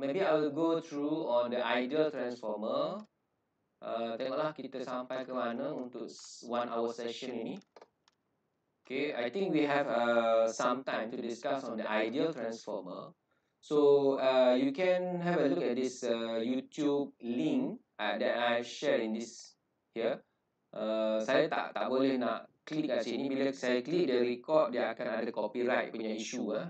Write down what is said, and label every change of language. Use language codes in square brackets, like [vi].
[en] Maybe I will go through on the ideal transformer. [ms] Tengoklah kita sampai ke mana untuk [en] 1 hour session [ms] ini. [en] Okay, I think we have some time to discuss on the ideal transformer. So you can have a look at this YouTube link that I share in this here. [ms] Saya tak boleh nak klik kat sini, bila saya klik dia record, dia akan ada copyright punya issue lah.